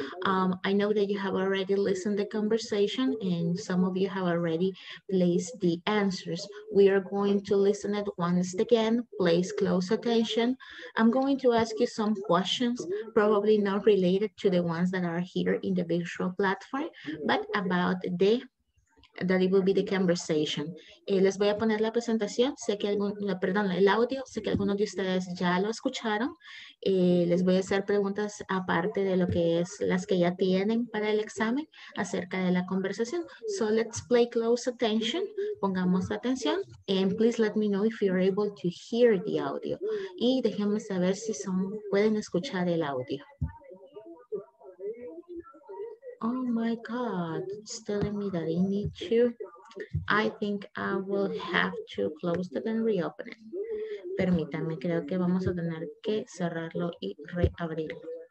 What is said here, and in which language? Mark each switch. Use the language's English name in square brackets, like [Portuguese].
[English] I know that you have already listened to the conversation and some of you have already placed the answers. We are going to listen it once again. Please close attention. I'm going to ask you some questions, probably not related to the ones that are here in the virtual platform, but about the, that it will be the conversation. [Spanish] Les voy a poner la presentación, sé que el audio, sé que algunos de ustedes ya lo escucharon. Les voy a hacer preguntas aparte de lo que es las que ya tienen para el examen acerca de la conversación. [English] So let's play close attention, [Spanish] pongamos atención, [English] and please let me know if you're able to hear the audio. [Spanish] Y déjenme saber si pueden escuchar el audio. [English] Oh my God, it's telling me that I think I will have to close it and reopen it. [Spanish] Permítanme, creo que vamos a tener que cerrarlo y reabrirlo.